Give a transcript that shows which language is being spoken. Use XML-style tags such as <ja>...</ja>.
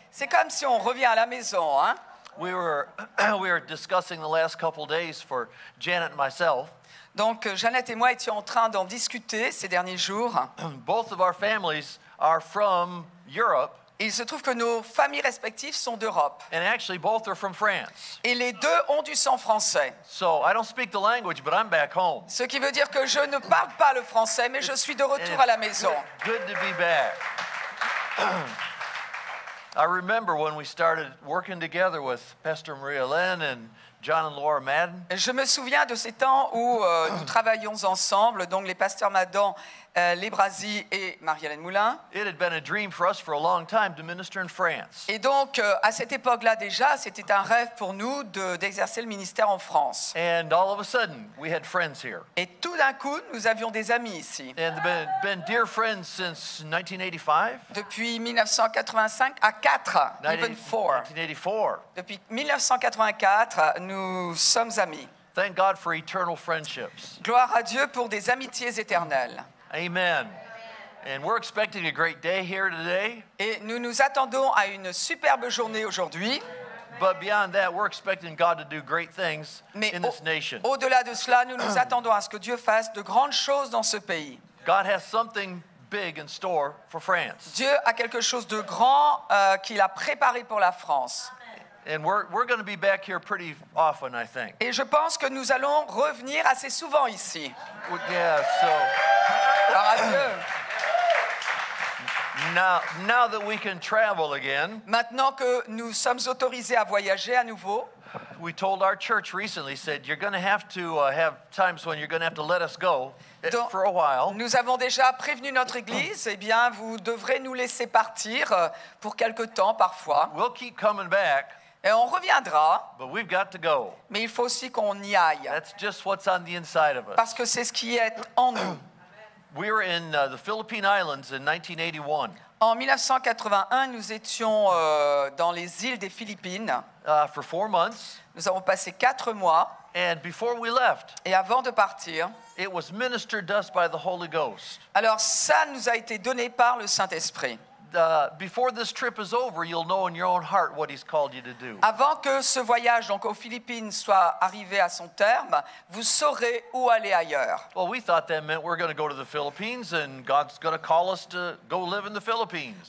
<fr>C'est comme si on revient à la maison, hein?</fr> <en>We were discussing the last couple days for Janet and myself.</en> <fr>Donc Janet et moi étions en train d'en discuter ces derniers jours.</fr> <en>Both of our families are from Europe.</en> <fr>Il se trouve que nos familles respectives sont d'Europe.</fr> <en>And actually, both are from France.</en> <fr>Et les deux ont du sang français.</fr> <en>So, I don't speak the language, but I'm back home.</en> <fr>Ce qui veut dire que je ne parle pas le français, mais je suis de retour à la maison.</fr> <en>Good to be back. I remember when we started working together with Pastor Maria Lynn and John and Laura Madden.</en> <fr>Je me souviens de ces temps où nous travaillions ensemble, donc les pasteurs Madden, les Brasi et Marie-Hélène Moulin.</fr> <en>It had been a dream for us for a long time to minister in France.</en> <fr>Et donc à cette époque-là déjà, c'était un rêve pour nous d'exercer le ministère en France.</fr> <en>And all of a sudden, we had friends here.</en> <fr>Et tout d'un coup, nous avions des amis ici.</fr> <en>And been dear friends since 1985.</en> <fr>Depuis 1985 à 4.</fr> <en>1984.</en> <fr>Depuis 1984, nous sommes amis.</fr> <en>Thank God for eternal friendships.</en> <fr>Gloire à Dieu pour des amitiés éternelles.</fr> <en>Amen. And we're expecting a great day here today.</en> <fr>Et nous nous attendons à une superbe journée aujourd'hui.</fr> <en>But beyond that, we're expecting God to do great things in this nation.</en> <fr>Au-delà de cela, nous nous attendons à ce que Dieu fasse de grandes choses dans ce pays.</fr> <en>God has something big in store for France.</en> <fr>Dieu a quelque chose de grand qu'il a préparé pour la France.</fr> <en>And we're going to be back here pretty often, I think.</en> <fr>Et je pense que nous allons revenir assez souvent ici.</fr> <en>Yeah, so.</en> <fr>Gloire à Dieu.</fr> <en>Now that we can travel again.</en> <fr>Maintenant que nous sommes autorisés à voyager à nouveau.</fr> <en>We told our church recently, said you're going to have to have times when you're going to have to let us go</en> <fr>Donc,</fr> <en>for a while.</en> <fr>Nous avons déjà prévenu notre église. Eh bien, vous devrez nous laisser partir pour quelque temps parfois.</fr> <en>We'll keep coming back.</en> <fr>Et on reviendra.</fr> <en>But we've got to go.</en> <fr>Mais il faut aussi qu'on y aille.</fr> <en>That's just what's on the inside of us.</en> <fr>Parce que c'est ce qui est en nous.</fr> <en>We were in the Philippine Islands in 1981.</en> <fr>En 1981, nous étions dans les îles des Philippines.</fr> <en>For 4 months.</en> <fr>Nous avons passé 4 mois.</fr> <en>And before we left.</en> <fr>Et avant de partir.</fr> <en>It was ministered to us by the Holy Ghost.</en> <fr>Alors ça nous a été donné par le Saint-Esprit.</fr> <en>Before this trip is over, you'll know in your own heart what he's called you to do.</en> <fr>Avant que ce voyage donc aux Philippines soit arrivé à son terme, vous saurez où aller ailleurs.</fr> <en>Well, we thought that meant we're going to go to the Philippines and God's going to call us to go live in the Philippines.</en>